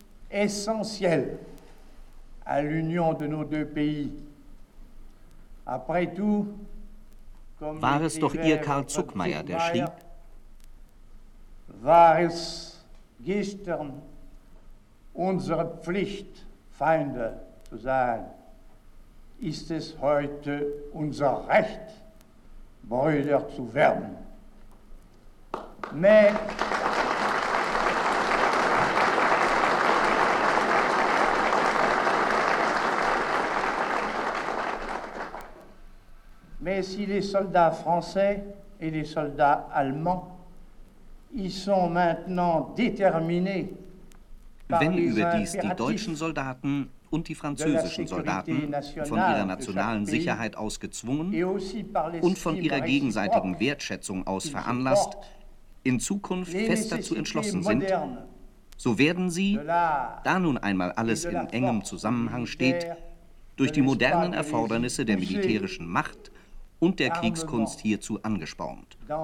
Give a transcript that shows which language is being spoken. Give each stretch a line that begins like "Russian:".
French: Essentiel à l'union de nos deux pays. Après tout,
German: war es doch Ihr Karl Zuckmayer, der schrieb? War es gestern unsere Pflicht, Feinde zu sein? Ist es heute unser Recht, Brüder zu werden?
French: Mais si les soldats français et les soldats allemands y sont maintenant déterminés,
German: wenn überdies die deutschen Soldaten und die französischen Soldaten von ihrer nationalen Sicherheit aus gezwungen und von ihrer gegenseitigen Wertschätzung aus veranlasst, in Zukunft fest dazu entschlossen sind, so werden sie, da nun einmal alles in engem Zusammenhang steht, durch die modernen Erfordernisse der militärischen Macht und der Kriegskunst hierzu angespornt.